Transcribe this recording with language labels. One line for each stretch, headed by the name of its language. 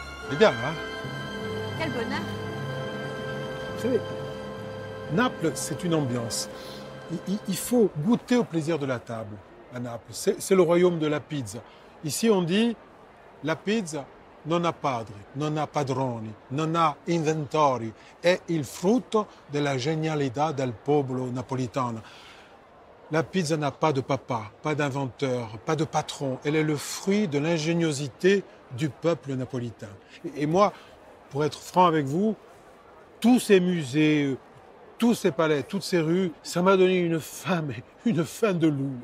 French: C'est bien, hein? Quel bonheur. Vous savez, Naples, c'est une ambiance. Il faut goûter au plaisir de la table à Naples. C'est le royaume de la pizza. Ici, on dit la pizza
Italian: non ha padre, non ha padroni, non ha inventori. È il frutto della genialità del popolo napoletano.
French: La pizza n'a pas de papa, pas d'inventeur, pas de patron. Elle est le fruit de l'ingéniosité du peuple napolitain. Et moi, pour être franc avec vous, tous ces musées, tous ces palais, toutes ces rues, ça m'a donné une faim de loup.